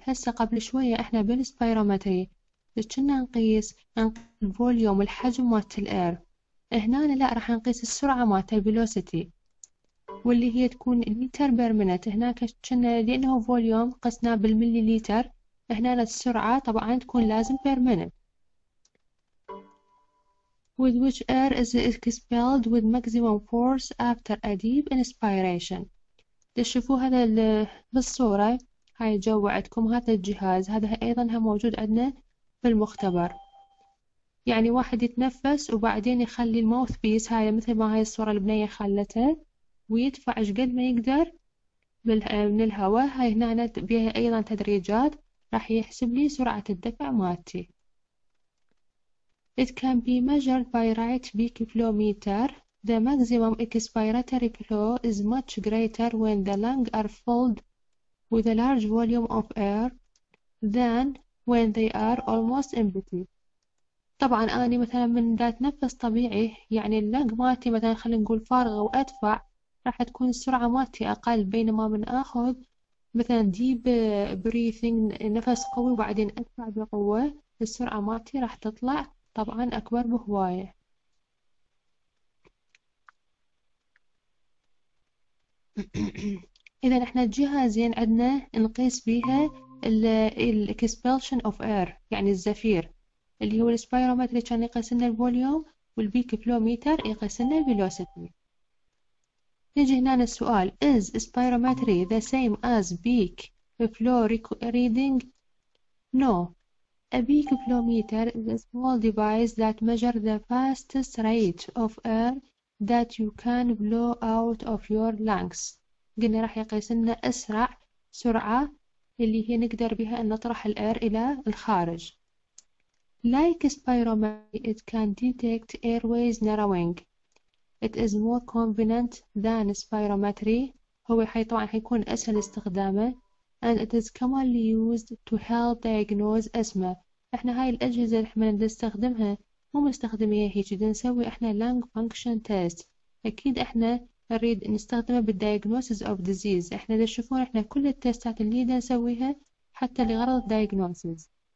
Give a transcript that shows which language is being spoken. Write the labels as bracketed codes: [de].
[ar] هسه قبل شوية احنا بالسبيرومتري كنا نقيس الفوليوم الحجم مالت الاير، هنا لا راح نقيس السرعة مالت الفيلوسيتي واللي هي تكون لتر بير منت. هنا كنا لانه فوليوم قسناه بالملي لتر، هنا السرعة طبعا تكون لازم بير منت. [en] With which air is expelled with maximum force after a deep inspiration. [ar] تشوفوا هذا بالصورة، هاي جو عندكم هذا الجهاز، هذا أيضا هم موجود عندنا في المختبر. يعني واحد يتنفس وبعدين يخلي الماوث بيس، هاي مثل ما هاي الصورة البنية خلته، ويدفع قد ما يقدر من الهواء. هاي هنا بيها أيضا تدريجات راح يحسب لي سرعة الدفع مالتي. [en] It can be measured by right peak flow meter. The maximum expiratory flow is much greater when the lungs are filled with a large volume of air than when they are almost empty. [ar] طبعا أنا مثلا من دا أتنفس طبيعي، يعني اللنج مالتي مثلا خلينا نقول فارغة وأدفع، راح تكون السرعة مالتي أقل، بينما من آخذ مثلا deep breathing نفس قوي وبعدين أدفع بقوة، السرعة مالتي راح تطلع طبعا أكبر بهواية. إذا احنا الجهازين عندنا نقيس بيها ال expulsion of air يعني الزفير، اللي هو السبايرومتر كان يقيس لنا الفوليوم، والبيك فلو ميتر يقيس لنا الفيلوسيتي. نيجي هنا السؤال، [en] is spirometry the same as peak flow reading؟ No. A peak flow meter is a small device that measures the fastest rate of air that you can blow out of your lungs. [ar] قلنا راح يقيس لنا أسرع سرعة اللي هي نقدر بها أن نطرح الأير إلى الخارج. [en] Like spirometry, it can detect airways narrowing. It is more convenient than spirometry. [ar] هو حي طبعا حيكون أسهل استخدامه. [en] And it is commonly used to help diagnose asthma. [ar] احنا هاي الأجهزة اللي احنا نستخدمها مو مستخدميها هيك، دي نسوي احنا lung function test، اكيد احنا نريد نستخدمها بال diagnosis of disease. احنا دا تشوفون احنا كل التستات اللي دا نسويها حتى لغرض diagnosis.